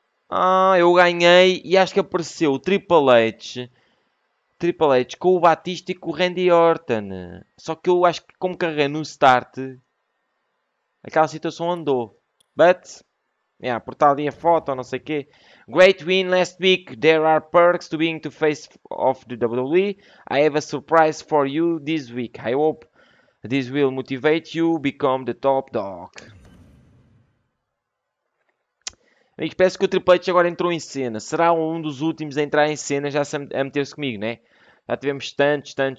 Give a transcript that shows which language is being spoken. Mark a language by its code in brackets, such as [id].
[pt] Ah, eu ganhei e acho que apareceu o Triple H. Triple H com o Batista e com o Randy Orton. Só que eu acho que como carreguei no start, aquela situação andou. [en] But, yeah, [pt] portal de foto, não sei o quê. [en] Great win last week. There are perks to being the face of the WWE. I have a surprise for you this week. I hope this will motivate you become the top dog. [pt] E parece que o Triple H agora entrou em cena. Será um dos últimos a entrar em cena já a meter-se comigo, né? Já tivemos tantos.